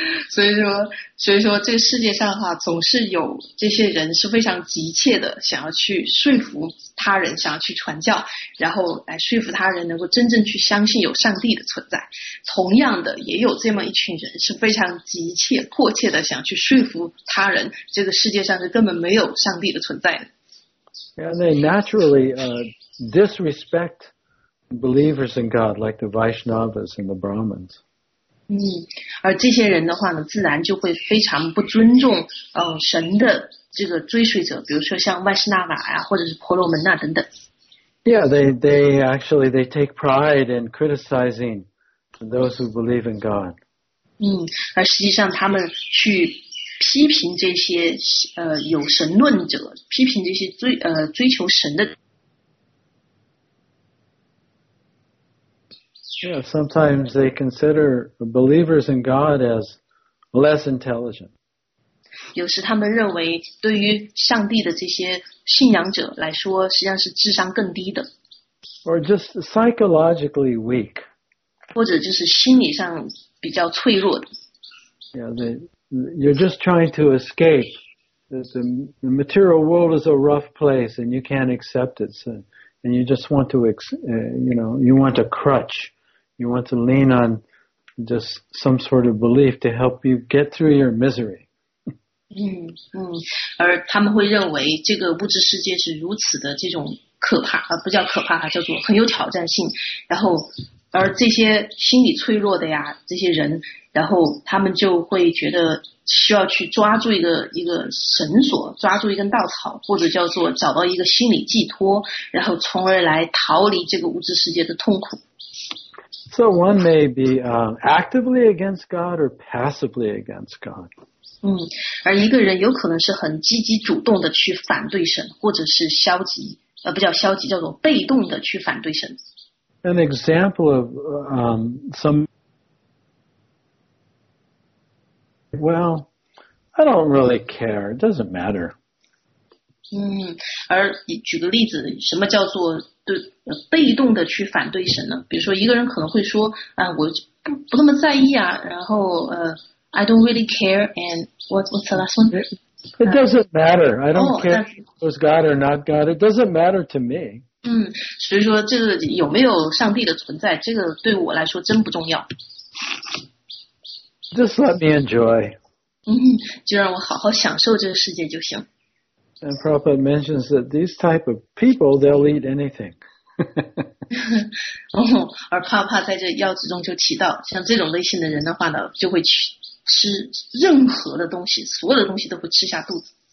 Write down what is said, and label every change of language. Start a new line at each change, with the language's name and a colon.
Chinese: 所以说这个世界上的话，总是有这些人是非常急切的，想要去说服他人，想要去传教，然后来说服他人能够真正去相信有上帝的存在。同样的，也有这么一群人是非常急切迫切的想去说服他人，这个世界上是根本没有上帝的存在的。
English: And they naturally disrespect believers in God, like the Vaishnavas and the Brahmins.
Chinese: 而这些人的话呢，自然就会非常不尊重神的这个追随者，比如说像麦斯纳瓦呀，或者是婆罗门那等等。
English: Yeah, they take pride in criticizing those who believe in God.
Chinese: 而实际上他们去批评这些有神论者，批评这些追求神的。
English: Yeah, sometimes they consider believers in God as less intelligent.
Chinese: 有时他们认为对于上帝的这些信仰者来说，实际上是智商更低的。
English: Or just psychologically weak.
Chinese: 或者就是心理上比较脆弱的。
English: Yeah, you're just trying to escape. The material world is a rough place and you can't accept it. So, and you just want to, you want a crutch. You want to lean on just some sort of belief to help you get through your misery.
Chinese: 而他们会认为这个物质世界是如此的这种可怕，不叫可怕，叫做很有挑战性。然后而这些心理脆弱的呀，这些人，然后他们就会觉得需要去抓住一个绳索，抓住一根稻草，或者叫做找到一个心理寄托，然后从而来逃离这个物质世界的痛苦。
English: So one may be actively against God or passively against God.
Chinese: 而一个人有可能是很积极主动的去反对神，或者是消极，不叫消极，叫做被动的去反对神。
English: An example of some, well, I don't really care. It doesn't matter.
Chinese: 而举个例子，什么叫做对被动的去反对神呢？比如说一个人可能会说啊，我不那么在意啊，然后
English: I don't really care. And what's the last one? It doesn't matter. I don't care if it's God or not God. It doesn't matter to me.
Chinese: 所以说这个有没有上帝的存在，这个对我来说真不重要。
English: Just let me enjoy.
Chinese: 就让我好好享受这个世界就行。
English: And Prabhupada mentions that these type of people, they'll eat anything.
Chinese: 而帕帕在这要旨中就提到，像这种类型的人的话呢，就会去吃任何的东西，所有的东西都会吃下肚子。